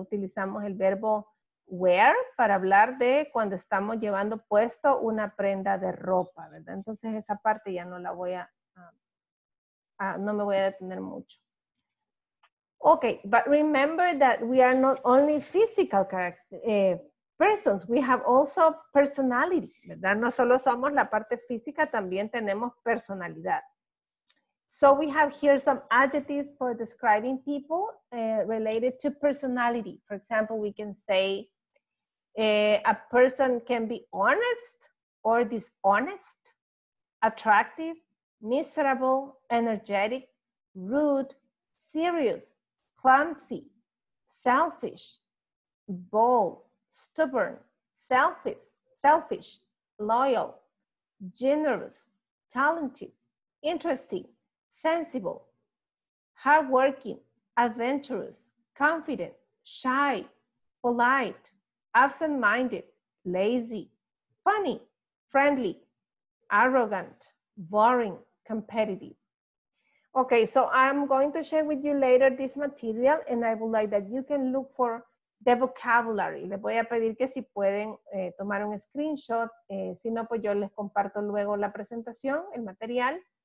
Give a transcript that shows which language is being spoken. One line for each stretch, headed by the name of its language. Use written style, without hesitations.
Spanish: Utilizamos el verbo wear para hablar de cuando estamos llevando puesto una prenda de ropa, ¿verdad? Entonces esa parte ya no la voy a, no me voy a detener mucho.
English: Okay, but remember that we are not only physical persons, we have also personality,
Spanish: ¿verdad? No solo somos la parte física, también tenemos personalidad.
English: So we have here some adjectives for describing people related to personality. For example, we can say a person can be honest or dishonest, attractive, miserable, energetic, rude, serious, clumsy, selfish, bold, stubborn, selfish, loyal, generous, talented, interesting, sensible, hardworking, adventurous, confident, shy, polite, absent-minded, lazy, funny, friendly, arrogant, boring, competitive. Okay, so I'm going to share with you later this material and I would like that you can look for the vocabulary.
Spanish: Les voy a pedir que si pueden tomar un screenshot, si no, pues yo les comparto luego la presentación, el material.